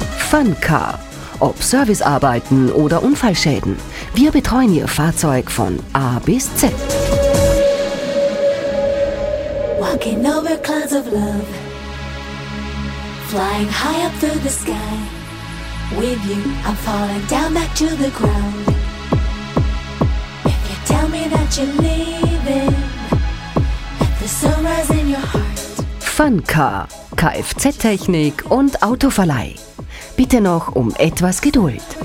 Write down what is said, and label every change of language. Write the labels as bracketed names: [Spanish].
[German] Funcar. Ob Servicearbeiten oder Unfallschäden, wir betreuen Ihr Fahrzeug von A bis Z. [English] Walking over clouds of love, flying high up through the sky. With you, I'm falling down back to the ground. If you tell me that you're leaving, let the sunrise in your heart. [German] Funcar, Kfz-Technik und Autoverleih. Bitte noch um etwas Geduld.